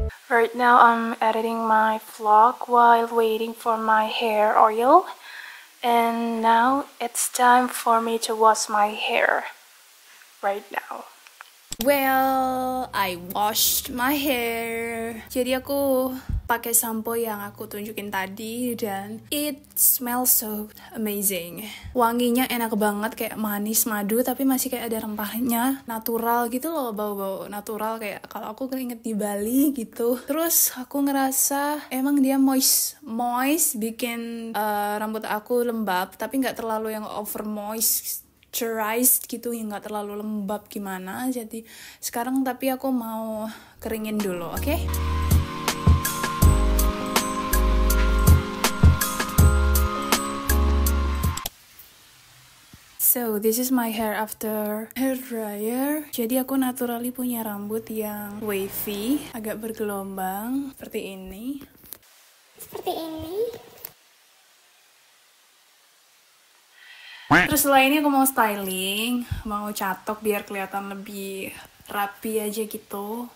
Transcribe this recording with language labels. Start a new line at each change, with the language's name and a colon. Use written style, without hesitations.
English: Right now I'm editing my vlog while waiting for my hair oil, and now it's time for me to wash my hair right now. Well, I washed my hair.
Indonesian: Jadi aku pakai sampo yang aku tunjukin tadi dan
English: it smells so amazing.
Indonesian: Wanginya enak banget, kayak manis madu tapi masih kayak ada rempahnya natural gitu loh, bau-bau natural kayak kalau aku keringet di Bali gitu. Terus aku ngerasa emang dia moist bikin rambut aku lembab tapi enggak terlalu yang over moisturized gitu, yang enggak terlalu lembab gimana. Jadi sekarang tapi aku mau keringin dulu, oke? Okay?
English: So this is my hair after hair dryer.
Indonesian: Jadi aku naturally punya rambut yang wavy, agak bergelombang seperti ini. Seperti ini. Terus setelah ini aku mau styling, mau catok biar kelihatan lebih rapi aja gitu.